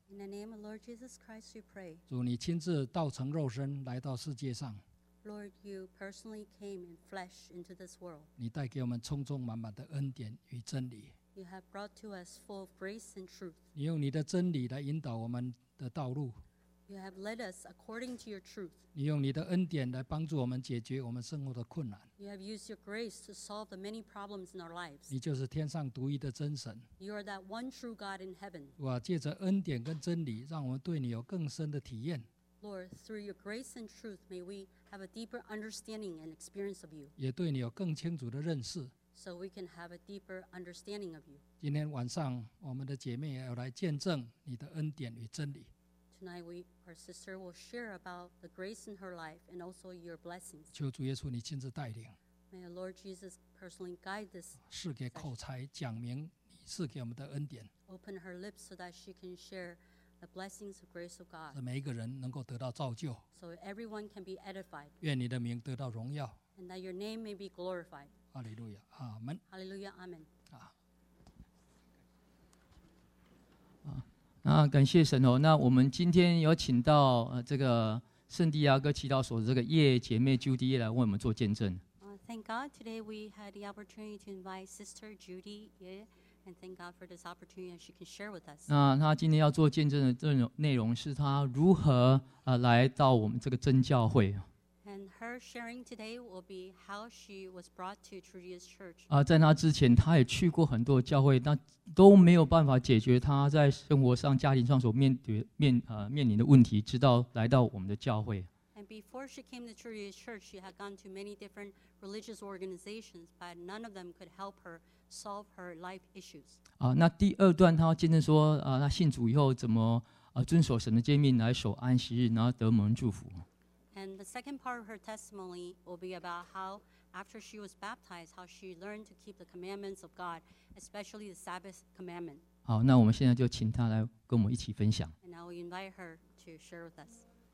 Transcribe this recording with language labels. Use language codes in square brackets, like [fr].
[en] In the name of Lord Jesus Christ, we pray. [zh] 主，你亲自道成肉身来到世界上。 [en] Lord, you personally came in flesh into this world. [zh] 你带给我们充充满满的恩典与真理。 [en] You have brought to us full of grace and truth. [zh] 你用你的真理来引导我们的道路。 [en] You have led us according to your truth. [zh] 你用你的恩典来帮助我们解决我们生活的困难。 [en] You have used your grace to solve the many problems in our lives. [zh] 你就是天上独一的真神。 [en] You are that one true God in heaven. [zh] 主啊，借着恩典跟真理，让我们对你有更深的体验。 [en] Lord, through your grace and truth, may we have a deeper understanding and experience of you. [zh] 也对你有更清楚的认识。 [en] So we can have a deeper understanding of you. [zh] 今天晚上，我们的姐妹也要来见证你的恩典与真理。 [en] Tonight, our sister will share about the grace in her life and also your blessings. [zh] 求主耶稣你亲自带领。 [en] May the Lord Jesus personally guide this. [zh] 赐给口才，讲明你赐给我们的恩典。 [en] Open her lips so that she can share the blessings of grace of God. [zh] 让每一个人能够得到造就。 [en] So everyone can be edified. [zh] 愿你的名得到荣耀。 [en] And that your name may be glorified. [zh] 哈利路亚，阿门。哈利路亚，阿门。啊。感谢神哦。那我们今天有请到这个圣地亚哥祈祷所的这个叶姐妹 Judy 来为我们做见证。 [en] Thank God, today we had the opportunity to invite Sister Judy Ye, and thank God for this opportunity she can share with us. [zh] 那她今天要做见证的内容是她如何来到我们这个真教会。 [en] And her sharing today will be how she was brought to Trudia's church. [zh] 在那之前，她也去过很多教会，那都没有办法解决她在生活上、家庭上所面临的问题，直到来到我们的教会。 [en] And before she came to Trudia's church, she had gone to many different religious organizations, but none of them could help her solve her life issues. [zh] 那第二段她见证说，她信主以后怎么遵守神的诫命来守安息日，然后得蒙祝福。 [en] And the second part of her testimony will be about how, after she was baptized, how she learned to keep the commandments of God, especially the Sabbath commandment. [zh] 好，那我们现在就请她来跟我们一起分享。 [en] And I will invite her to share with us.